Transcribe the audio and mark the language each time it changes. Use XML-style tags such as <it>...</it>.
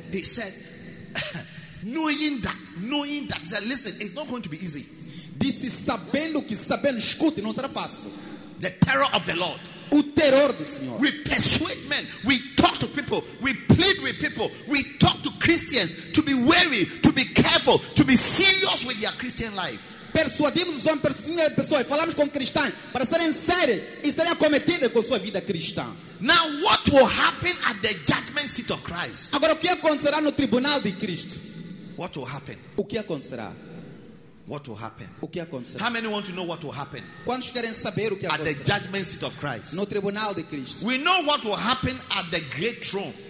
<en>They said, knowing that, said, listen, it's not going to be easy. This is</en> <pt>sabendo que sabendo, escute, não será fácil.</pt> <en>The terror of the Lord.</en> <pt>O terror do Senhor.</pt> <en>We persuade men. We talk to people. We plead with people. We talk to Christians to be wary, to be careful, to be serious with their Christian life.</en> <pt>Persuadimos os homens, persuadimos as pessoas, falamos com cristãos para serem sérios e serem acometidos com sua vida cristã.</pt> <en>Now, what will happen at the judgment seat of Christ?</en> <pt>Agora, o que acontecerá no tribunal de Cristo?</pt> <en>What will happen?</en> <pt>O que acontecerá?</pt> <en>What will happen?</en> <pt>O que acontecerá?</pt> <en>How many want to know what will happen?</en> <pt>Quantos querem saber o que acontecerá?</pt> <en>At the judgment seat of Christ.</en> <pt>No tribunal de Cristo.</pt> <en>We know what will happen at the great throne.</en>